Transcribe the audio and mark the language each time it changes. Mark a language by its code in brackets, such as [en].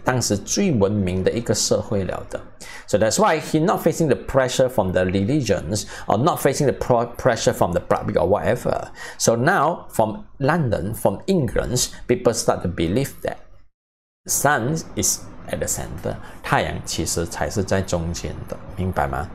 [zh] 当时最文明的一个社会了的。 [en] So that's why he not facing the pressure from the religions or not facing the pressure from the public or whatever. So now from London, from England, people start to believe that. Sun is at the center. [zh] 太阳其实才是在中间的，明白吗？